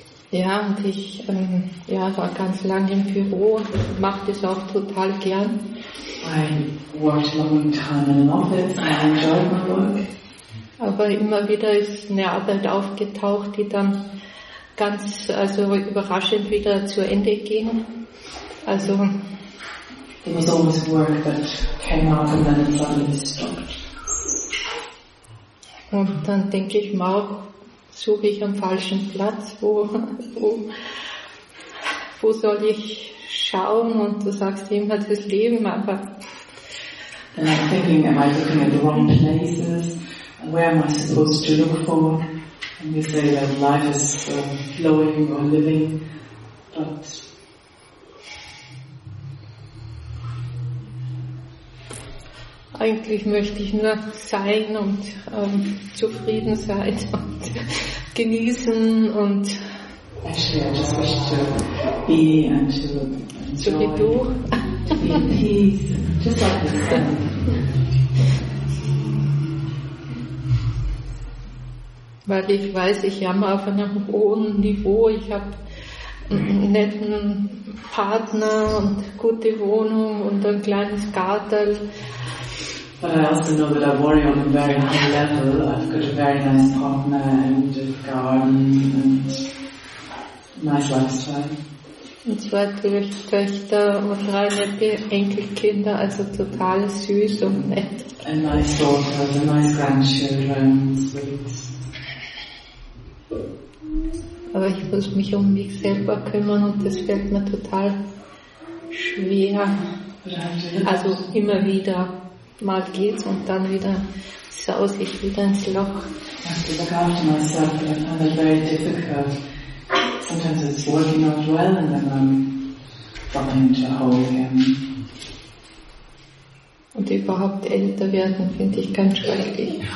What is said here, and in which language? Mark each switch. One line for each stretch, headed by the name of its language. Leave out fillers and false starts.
German: Ja, und ich war ganz lange im Büro, mache das auch total gern.
English: I worked a long time in an office, I enjoy my work.
German: Aber immer wieder ist eine Arbeit aufgetaucht, die dann ganz, also überraschend wieder zu Ende ging. Also
English: it was almost work that came up and then it suddenly stopped.
German: Und dann denke ich mir auch, suche ich am falschen Platz, wo soll ich schauen? Und du sagst immer das Leben, aber.
English: And I'm thinking, am I looking at the wrong places? Where am I supposed to look for? And you say that life is flowing or living, but.
German: Eigentlich möchte ich nur sein und zufrieden sein und genießen und
English: actually, I just wish to be and to enjoy,
German: so wie du.
English: To be in peace, just like this.
German: Weil ich weiß, ich jammer auf einem hohen Niveau, ich habe einen netten Partner und gute Wohnung und ein kleines Gartel.
English: But I also know that I worry on a very high level. I've got a very nice partner and a garden and nice lifestyle.
German: Und zwei Töchter und drei nette Enkelkinder, also total süß und nett.
English: And nice daughters and nice grandchildren, sweet.
German: Aber ich muss mich um mich selber kümmern und das fällt mir total schwer. Also immer wieder. Mal geht's und dann wieder saus ich wieder ins Loch.
English: I have to look after myself, but I find it very difficult. Sometimes it's working out well and then I'm falling into a hole again.
German: Und überhaupt älter werden finde ich ganz schrecklich.